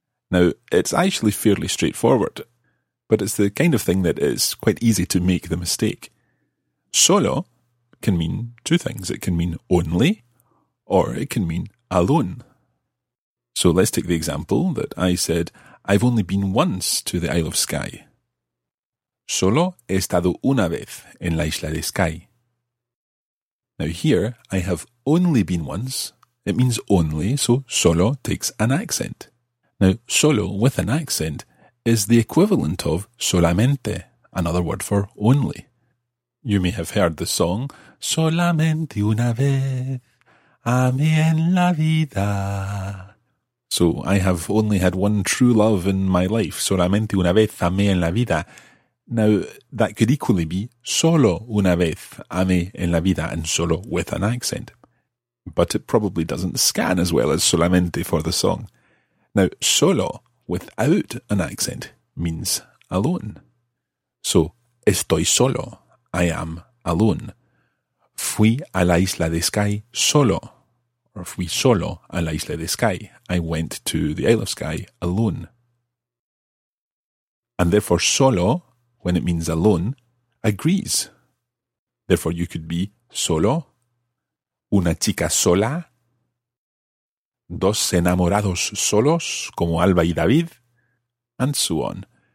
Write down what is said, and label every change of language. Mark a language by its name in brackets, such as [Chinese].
[English] Now, it's actually fairly straightforward, but it's the kind of thing that is quite easy to make the mistake. Solo can mean two things. It can mean only, or it can mean alone. So let's take the example that I said, I've only been once to the Isle of Skye. [Spanish] Solo he estado una vez en la isla de Skye. [English] Now here, I have only been once. It means only, so solo takes an accent. Now, solo with an accent is the equivalent of solamente, another word for only. You may have heard the song, [Spanish] solamente una vez, a mí en la vida. [English] So, I have only had one true love in my life, [Spanish] solamente una vez, a mí en la vida. [English] Now, that could equally be [Spanish] solo una vez, a mí en la vida, [English] and solo with an accent. But it probably doesn't scan as well as solamente for the song. Now, solo, without an accent, means alone. So, [Spanish] estoy solo, [English] I am alone. [Spanish] Fui a la isla de Skye solo. [English] Or [Spanish] fui solo a la isla de Skye. [English] I went to the Isle of Skye alone. And therefore, solo, when it means alone, agrees. Therefore, you could be solo, [Spanish] una chica sola, dos enamorados solos, como Alba y David, [English] and so on.